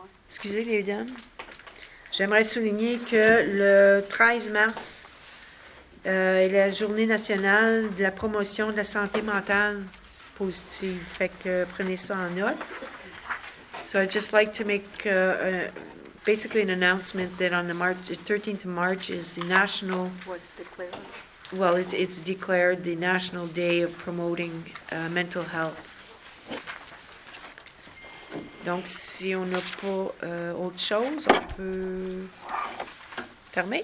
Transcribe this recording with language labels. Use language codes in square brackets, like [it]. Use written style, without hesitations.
[fr] Excusez les dames. J'aimerais souligner que le 13 mars est la journée nationale de la promotion de la santé mentale positive. Fait que prenez ça en note. [en] So I'd just like to make basically an announcement that on the March, the 13th of March is the national... What's declared? Well, it's declared the National Day of Promoting Mental Health. [fr] Donc, si on n'a pas autre chose, on peut fermer.